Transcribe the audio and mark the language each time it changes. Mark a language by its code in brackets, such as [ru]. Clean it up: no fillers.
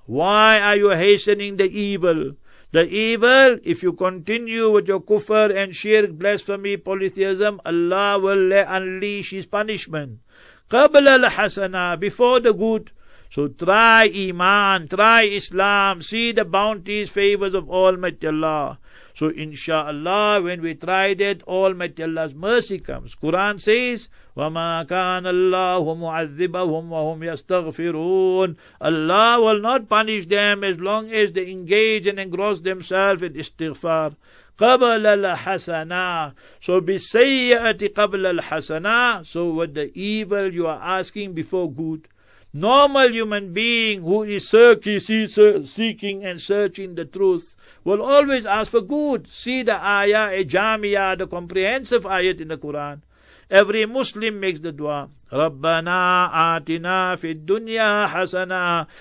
[en] Why are you hastening the evil? The evil, if you continue with your kufr and shirk, blasphemy, polytheism, Allah will unleash his punishment. [ar] قَبْلَ الْحَسَنَى, [en] before the good. So try Iman, try Islam, see the bounties, favors of Almighty Allah. So inshallah, when we try that, Almighty Allah's mercy comes. Quran says, [ar] وَمَا كَانَ اللَّهُ مُعَذِّبَهُمْ وَهُمْ يَسْتَغْفِرُونَ. [en] Allah will not punish them as long as they engage and engross themselves in istighfar. [ar] قَبْلَ الْحَسَنَى. [en] So [ar] بِسَيَّئَةِ قَبْلَ الْحَسَنَى. [en] So with the evil you are asking before good. Normal human being who is seeking and searching the truth will always ask for good. See the ayah, ajamiya, the comprehensive ayat in the Quran. Every Muslim makes the dua. [ar] Rabbana atina fi dunya hasana.